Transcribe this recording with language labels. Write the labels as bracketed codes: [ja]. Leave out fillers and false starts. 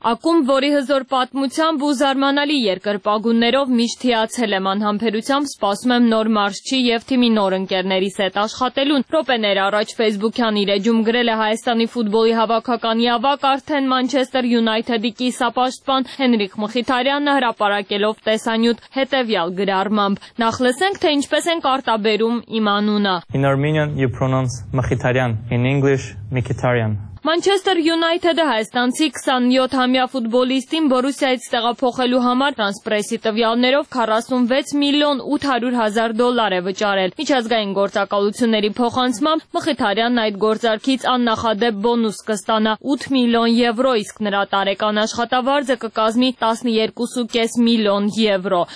[hy] ակումբ, որի հզոր պատմությամբ ու զարմանալի երկրպագուններով միշտ հիացել եմ, անհամբերությամբ սպասում եմ նոր մարշչի և թիմի նոր ընկերներիս հետ աշխատելուն»։ Ռոպեներ առաջ Facebook-յան իր էջում գրել է Հայաստանի ֆուտբոլի հավաքականի ավակ արդեն Manchester United-ի կիսապաշտպան Հենրիխ Մխիթարյանը, հրապարակելով տեսանյութ հետևյալ գրառմամբ. Նախ լսենք, թե ինչպես են կարտաբերում իմ անունը։ [en] In Armenian you pronounce Mkhitaryan, in English Mkhitaryan. [hy] Manchester United-ը հայաստանցի 27-ամյա ֆուտբոլիստին Բորուսիայից տեղափոխելու համար Transpress-ի տվյալներով 46 միլիոն 800 հազար դոլար է վճարել։ Միջազգային գործակալությունների փոխանցումը Մխիթարյանն այդ գործարքից աննախադեպ բոնուս կստանա 8 միլիոն եվրո, իսկ նրա տարեկան աշխատավարձը կկազմի 12.5 միլիոն եվրո։